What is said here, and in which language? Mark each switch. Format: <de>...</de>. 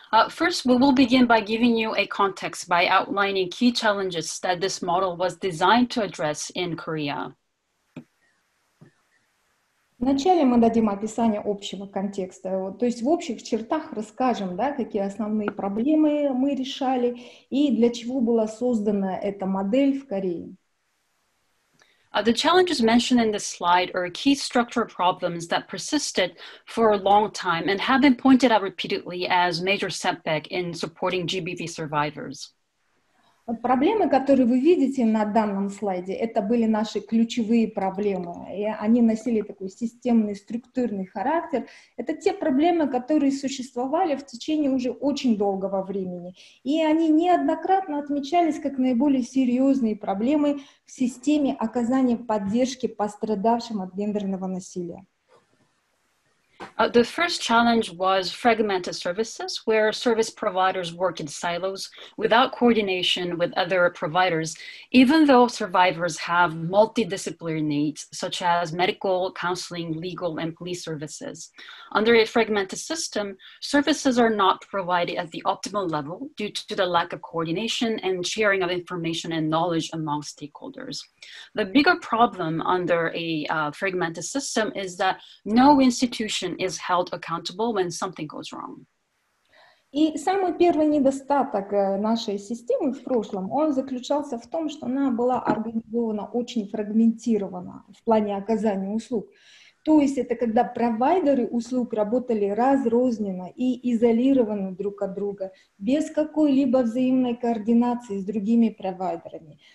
<en>First, we will begin by giving you a context by outlining key challenges that this model was designed to address in Korea.</en> <ru>Вначале мы дадим описание общего контекста, то есть в общих чертах расскажем, да, какие основные проблемы мы решали и для чего была создана эта модель в Корее.</ru> <en>The challenges mentioned in this slide are key structural problems that persisted for a long time and have been pointed out repeatedly as major setback in supporting GBV survivors.</en> <ru>Проблемы, которые вы видите на данном слайде, это были наши ключевые проблемы. И они носили такой системный, структурный характер. Это те проблемы, которые существовали в течение уже очень долгого времени. И они неоднократно отмечались как наиболее серьезные проблемы в системе оказания поддержки пострадавшим от гендерного насилия.</ru> <en>The first challenge was fragmented services, where service providers work in silos without coordination with other providers, even though survivors have multidisciplinary needs, such as medical, counseling, legal, and police services. Under a fragmented system, services are not provided at the optimal level due to the lack of coordination and sharing of information and knowledge among stakeholders. The bigger problem under a fragmented system is that no institution is held accountable when something goes wrong.</en> <ru>И самый первый недостаток нашей системы в прошлом, он заключался в том, что она была организована очень фрагментированно в плане оказания услуг. То есть это когда провайдеры услуг работали разрозненно и изолированно друг от друга, без какой-либо взаимной координации с другими провайдерами.</ru>